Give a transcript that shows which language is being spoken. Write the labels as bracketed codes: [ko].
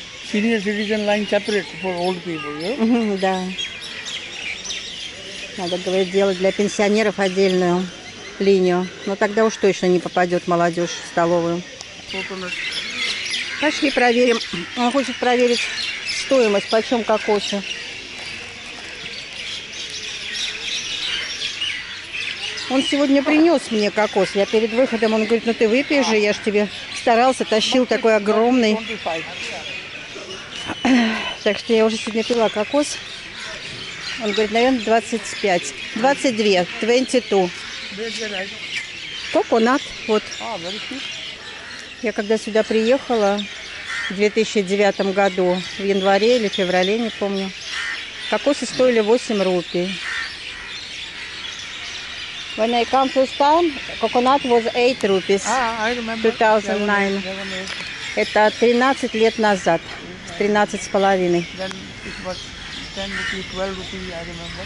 [en] Senior citizen line separate for old people, yeah? [ru] Да. Надо, говорит, делать для пенсионеров отдельную линию. Но тогда уж точно не попадет молодежь в столовую. Пошли проверим. Он хочет проверить стоимость, почем кокосы. Он сегодня принес мне кокос. Я перед выходом, он говорит, ну ты выпей же, я ж тебе старался, тащил такой огромный. Так что я уже сегодня пила кокос. Он говорит, наверное, 25. 22. 22. Коконат. Вот. Я когда сюда приехала в 2009 году, в январе или феврале, не помню, кокосы стоили 8 рупий. [en] When I come first time, coconut was 8 rupees. I remember. 2009. [ru] Это 13 лет назад. 13,5. [en] Then it was 10 rupees, 12 rupees, I remember.